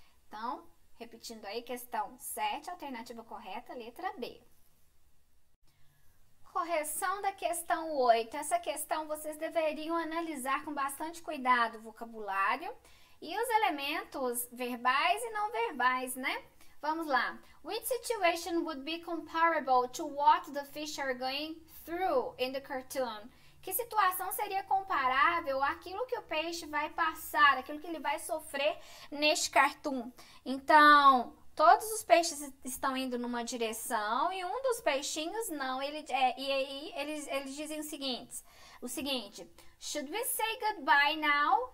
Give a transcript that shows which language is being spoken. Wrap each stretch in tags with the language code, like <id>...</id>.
<pt>Então, repetindo aí, questão 7, alternativa correta, letra B. Correção da questão 8. Essa questão vocês deveriam analisar com bastante cuidado o vocabulário e os elementos verbais e não verbais, né? Vamos lá.</pt> <en>Which situation would be comparable to what the fish are going through in the cartoon?</en> <pt>Que situação seria comparável àquilo que o peixe vai passar, aquilo que ele vai sofrer neste cartoon? Então, todos os peixes estão indo numa direção e um dos peixinhos não. E aí eles dizem o seguinte:</pt> <en>Should we say goodbye now?</en>